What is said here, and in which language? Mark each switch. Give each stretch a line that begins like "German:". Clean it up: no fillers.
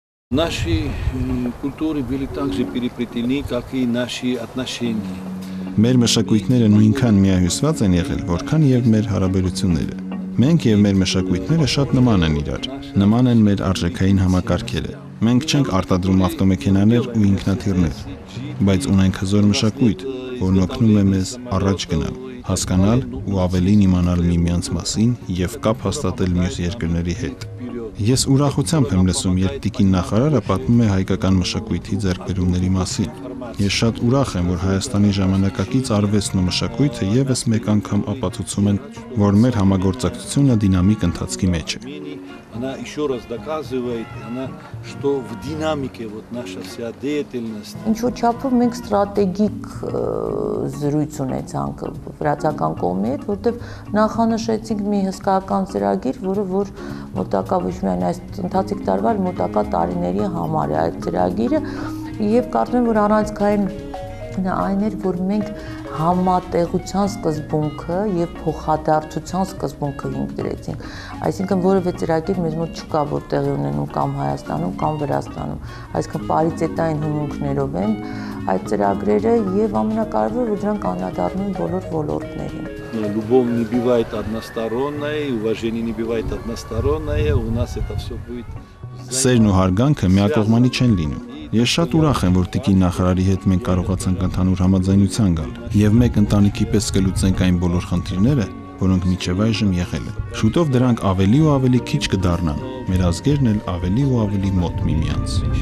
Russian: Наши культуры были также переплетены, как и наши отношения.
Armenian: Մեր մշակույթները նույնքան միահյուսված են եղել, որքան և մեր հարաբերությունները։ Մենք և մեր մշակույթները շատ նման են իրար, նման են մեր արժեքային համակարգերը։ Մենք չենք արտադրում ավտոմեքենաներ ու ինքնաթիռներ, բայց ունենք հզոր մշակույթ, որն օգնում է մեզ առաջ գնալ, հասկանալ ու ավելին իմանալ միմյանց մասին և կապ հաստատել մյուս երկրների հետ։ Ես ուրախությամբ եմ լսում, երբ Տիկին նախարարը պատմում է հայկական մշակույթի ձեռքբերումների մասին։ Ես շատ ուրախ եմ, որ Հայաստանի ժամանակակից արվեստն ու մշակույթը ևս մեկ անգամ ապացուցում են, որ մեր համագործակցությունը դինամիկ ընթացքի մեջ է։
Russian: Она еще раз доказывает, она, что в динамике вот наша вся деятельность.
Armenian: Ինչու չափով մենք ստրատեգիկ զրույց ունեցանք վրացական կողմի հետ, որտեղ նախանշեցինք մի հսկական ծրագիր, որը որ մոտակա ոչ միայն այս ընթացիկ տարվա, այլ մոտակա տարիների համար է այդ ծրագիրը, եւ կարծում եմ, որ առանցքային այն էր, որ մենք համատեղության սկզբունքը և փոխադարձության սկզբունքը հիմք դրեցինք, այսինքն որևէ ծրագիր մեզ մոտ չկա, որ տեղի ունենում կամ Հայաստանում, կամ Վրաստանում, այսինքն պարիցետային հիմունքներով են այդ ծրագրերը և ամենակարևորը, որ դրանք անդրադառնում են բոլոր ոլորտներին։
Russian: Любовь не бывает односторонней, уважение не бывает односторонное, у нас это всё будет.
Armenian: Սերն ու հարգանքը միակողմանի չեն լինում։ Ես շատ ուրախ եմ, որ Տիկին նախարարի հետ մենք կարողացանք ընդհանուր համաձայնության գալ և մեկ ընտանիքի պես կլուծենք այն բոլոր խնդիրները, որոնք մինչև այժմ եղել են։ Շուտով դրանք ավելի ու ավելի քիչ կդառնան, մեր ազգերն էլ ավելի ու ավելի մոտ միմյանց։